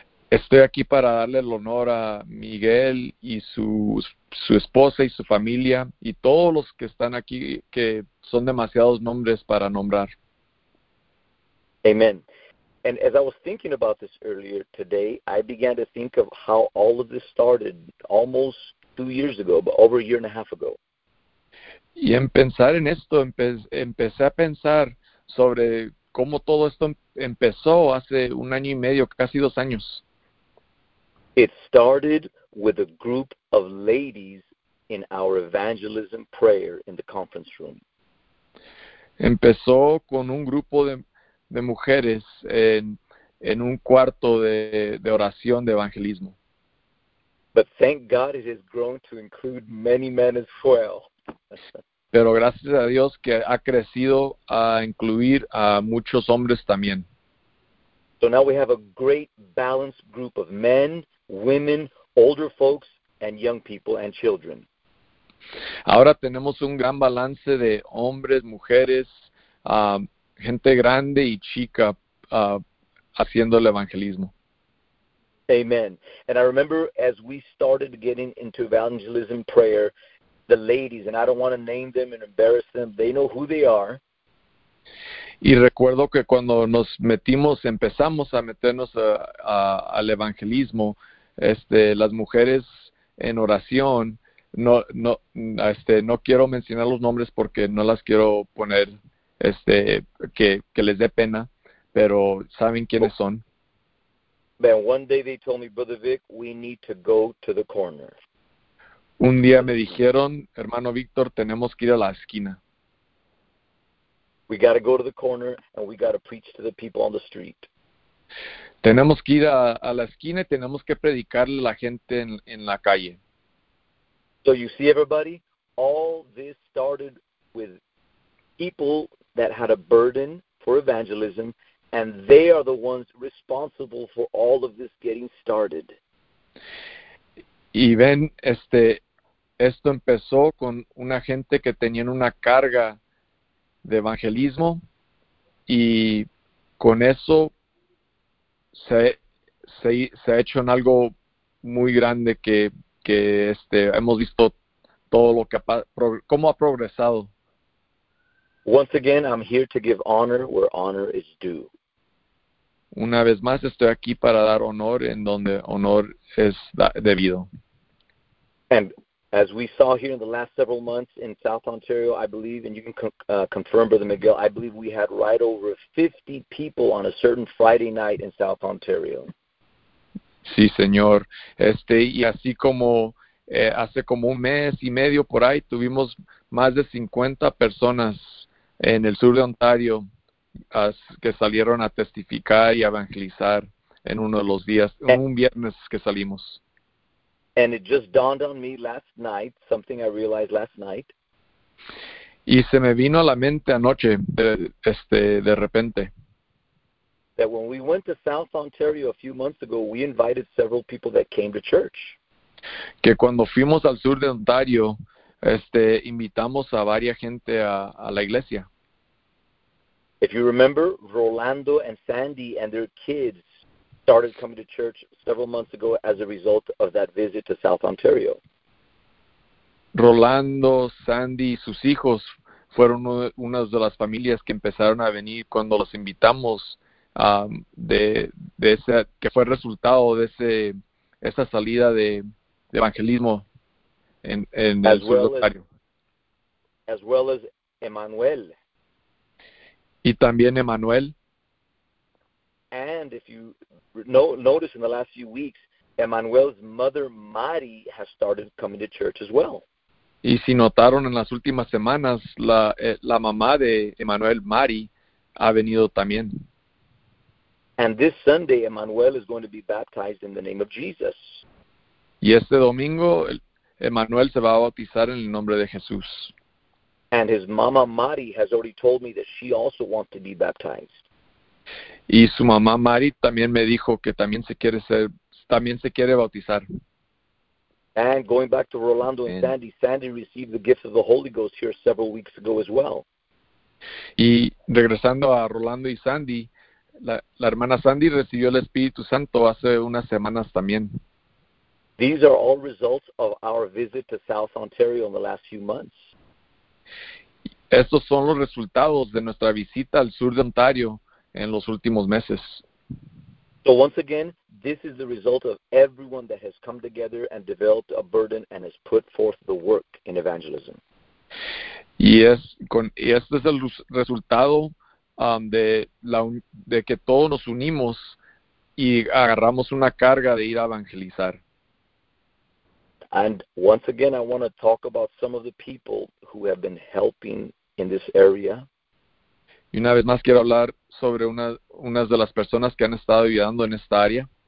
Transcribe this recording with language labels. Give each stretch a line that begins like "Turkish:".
Spanish: Estoy aquí para darle el honor a Miguel y su esposa y su familia y todos los que están aquí, que son demasiados nombres para nombrar.
English: Amen. And as I was thinking about this earlier today, I began to think of how all of this started almost 2 years ago, but over a year and a half ago.
Spanish: Y en pensar en esto, empecé a pensar sobre cómo todo esto empezó hace un año y medio, casi 2 años.
English: It started with a group of ladies in our evangelism prayer in the conference room.
Spanish: Empezó con un grupo de mujeres en un cuarto de oración de evangelismo.
English: But thank God it has grown to include many men as well.
Spanish: Pero gracias a Dios que ha crecido a incluir a muchos hombres también.
English: So now we have a great balanced group of men, women, older folks, and young people and children.
Spanish: Ahora tenemos un gran balance de hombres, mujeres, gente grande y chica haciendo el evangelismo.
English: Amen. And I remember as we started getting into evangelism prayer, the ladies, and I don't want to name them and embarrass them, they know who they are.
Spanish: Y recuerdo que cuando nos metimos, empezamos a meternos al evangelismo, las mujeres en oración, no quiero mencionar los nombres porque no las quiero poner, que les dé pena, pero saben quiénes son.
English: Then one day they told me, Brother Vic, we need to go to the corner.
Spanish: Un día me dijeron, hermano Víctor, tenemos que ir a la esquina.
English: We got to go to the corner and we got to preach to the people on the street.
Spanish: Tenemos que ir a la esquina y tenemos que predicarle a la gente en la calle.
English: So you see, everybody, all this started with people that had a burden for evangelism. And they are the ones responsible for all of this getting started.
Spanish: Y ven, esto empezó con una gente que tenían una carga de evangelismo y con eso se ha hecho en algo muy grande que hemos visto todo lo que cómo ha progresado.
English: Once again, I'm here to give honor where honor is due.
Spanish: Una vez más estoy aquí para dar honor en donde honor es debido.
English: And as we saw here in the last several months in South Ontario, I believe, and you can confirm, Brother Miguel, I believe we had right over 50 people on a certain Friday night in South Ontario.
Spanish: Sí, señor. Y así como hace como un mes y medio por ahí, tuvimos más de 50 personas en el sur de Ontario que salieron a testificar y evangelizar en uno de los días, en un viernes que salimos.
English: And it just dawned on me last night, something I realized last night.
Spanish: Y se me vino a la mente anoche, de repente.
English: That when we went to South Ontario a few months ago, we invited several people that came to church.
Spanish: Que cuando fuimos al sur de Ontario, invitamos a varias gente a la iglesia.
English: If you remember, Rolando and Sandy and their kids started coming to church several months ago as a result of that visit to South Ontario.
Spanish: Rolando, Sandy y sus hijos fueron unas de las familias que empezaron a venir cuando los invitamos, de ese que fue el resultado de ese esa salida de evangelismo en el
English: As
Spanish: sur de
English: well as
Spanish: Ontario.
English: Emmanuel.
Spanish: Y también Emanuel.
English: And if you notice in the last few weeks, Emmanuel's mother, Mari, has started coming to church as well.
Spanish: Y si notaron en las últimas semanas, la mamá de Emanuel, Mari, ha venido también.
English: And this Sunday, Emmanuel is going to be baptized in the name of Jesus.
Spanish: Y este domingo, Emanuel se va a bautizar en el nombre de Jesús.
English: And his mama, Mari, has already told me that she also wants to be baptized.
Spanish: Y su mamá, Mari, también me dijo que también se quiere bautizar.
English: And going back to Rolando and
Spanish: Amén.
English: Sandy, Sandy received the gift of the Holy Ghost here several weeks ago as well.
Spanish: Y regresando a Rolando y Sandy, la hermana Sandy recibió el Espíritu Santo hace unas semanas también.
English: These are all results of our visit to South Ontario in the last few months.
Spanish: Estos son los resultados de nuestra visita al sur de Ontario en los últimos meses.
English: So once again, this is the result of everyone that has come together and developed a burden and has put forth the work in evangelism.
Spanish: Y este es el resultado de que todos nos unimos y agarramos una carga de ir a evangelizar.
English: And once again, I want to talk about some of the people who have been helping in this area.
Spanish: Y una vez más quiero hablar sobre unas de las personas que han estado ayudando en esta área.